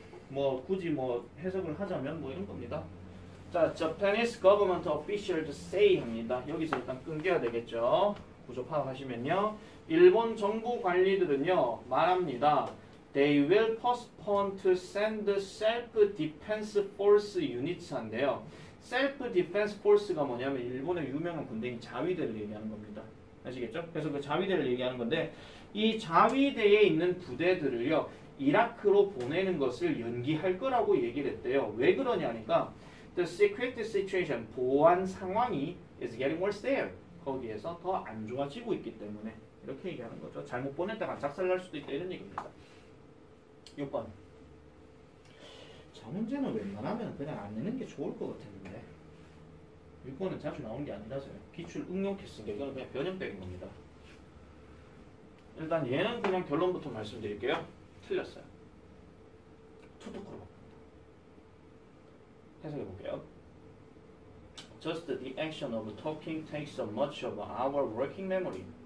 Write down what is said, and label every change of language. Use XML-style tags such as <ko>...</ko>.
<ko>뭐 굳이 뭐 해석을 하자면 뭐 이런 겁니다.</ko> <en>자, Japanese government official to say</en> <ko>합니다. 여기서 일단 끊겨야 되겠죠. 구조 파악하시면요. 일본 정부 관리들은요, 말합니다.</ko> <en>They will postpone to send self-defense force units</en> <ko>한대요. Self-defense force가 뭐냐면 일본의 유명한 군대인 자위대를 얘기하는 겁니다. 아시겠죠? 그래서 그 자위대를 얘기하는 건데 이 자위대에 있는 부대들을요, 이라크로 보내는 것을 연기할 거라고 얘기를 했대요.</ko> <en>왜 그러냐니까 The security situation,</en> <ko>보안 상황이</ko> <en>is getting worse there.</en> <ko>거기에서 더 안 좋아지고 있기 때문에 이렇게 얘기하는 거죠. 잘못 보냈다가 작살날 수도 있다 이런 얘기입니다. 6번. 저 문제는 웬만하면 그냥 안 내는 게 좋을 것 같은데 6번은 자주 나오는 게 아니라서요. 기출 응용 캐슨 게 이거는 그냥 변형된 겁니다. 일단 얘는 그냥 결론부터 말씀드릴게요. 틀렸어요. 투톡으로 해석해 볼게요.</ko> <en>Just the action of talking takes so much of our working memory.</en>